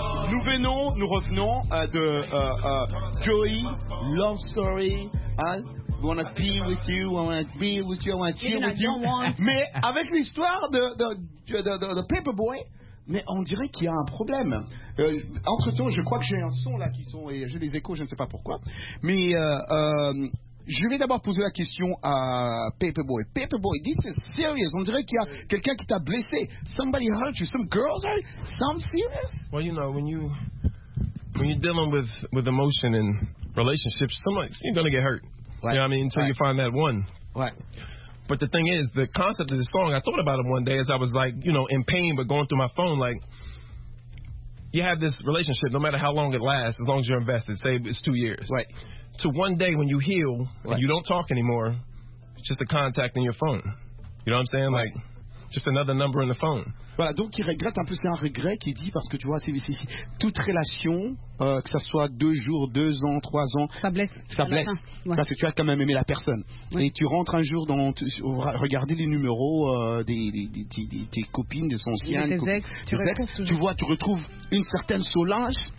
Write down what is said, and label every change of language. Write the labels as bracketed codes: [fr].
[fr] Nous venons, nous revenons de Joey, Love Story, hein? [en] Wanna be with you, I wanna be with you, I wanna chill with you. [fr] Mais avec l'histoire de Paperboy. Mais on dirait qu'il y a un problème. Entre-temps, je crois que j'ai un son là qui sont... Et j'ai des échos, je ne sais pas pourquoi. Mais Je vais d'abord poser la question à Paperboy. Paperboy, [en] this is serious. [fr] On dirait qu'il y a quelqu'un qui t'a blessé. [en] Somebody hurt you. Some girls are some serious. Well, you know, when you're dealing with emotion and relationships, somebody's you're gonna get hurt. Right. You know what I mean? Until you find that one. Right. But the thing is, the concept of the song, I thought about it one day as I was, like, you know, in pain, but going through my phone, like, you have this relationship, no matter how long it lasts, as long as you're invested, say it's 2 years. Right. To one day when you heal and you don't talk anymore, it's just a contact in your phone. You know what I'm saying? Like, just another number in the phone. [fr] Voilà, donc il regrette un peu, c'est un regret qui dit, parce que tu vois, c'est toute relation, que ça soit 2 jours, 2 ans, 3 ans, ça blesse. Ouais. Parce que tu as quand même aimé la personne. Ouais. Et tu rentres un jour dans, regarder les numéros des copines, des anciennes, tu vois, tu retrouves une certaine Solange.